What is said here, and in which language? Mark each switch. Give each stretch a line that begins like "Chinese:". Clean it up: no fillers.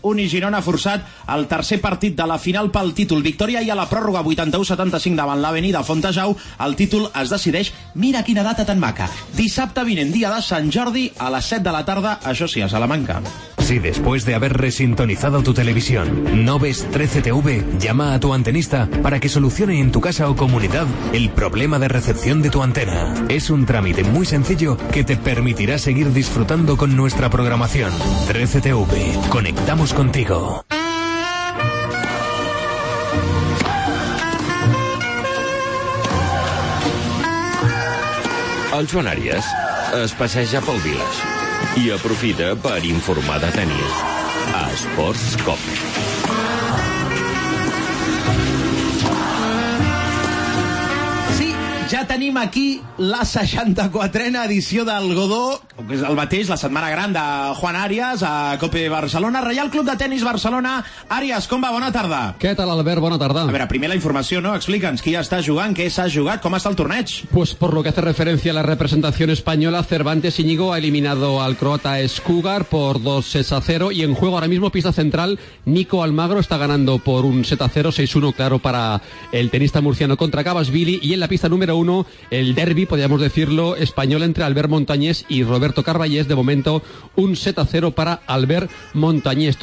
Catalan: Uni Girona ha forçat el tercer partit de la final pel títol. Victòria i a la pròrroga 81-75 davant l'Avenida Fontajau. El títol es decideix, mira quina data tan maca, dissabte vinent, dia de Sant Jordi, a les 7 de la tarda, això sí, a Salamanca.
Spanish: Si después de haber resintonizado tu televisión no ves 13TV, llama a tu antenista para que solucione en tu casa o comunidad el problema de recepción de tu antena. Es un trámite muy sencillo que te permitirá seguir disfrutando con nuestra programación. 13TV, conectamos contigo.
Catalan: El Joan Àries es passeja pel Viles i aprofita per informar de tenis a Esports Cop. Ja tenim aquí la 64a edició del Godó, que és el mateix, la setmana gran de Juan Àries a Cope Barcelona, Reial Club de Tenis Barcelona. Àries, com va? Bona tarda. Què tal, Albert? Bona tarda. A veure, primer la informació, no? Explica'ns qui està jugant, què s'ha jugat, com està el torneig.
Spanish: Pues por lo que hace referencia a la representación española, Cervantes Íñigo ha eliminado al croata Skugar por 2-0, y en juego ahora mismo pista central, Nico Almagro está ganando por 1-0, 6-1 claro para el tenista murciano contra Kvasvili, y en la pista número uno, el derbi, podríamos decirlo, español entre Albert Montañés y Roberto Carballés, de momento 1-0 para Albert Montañés.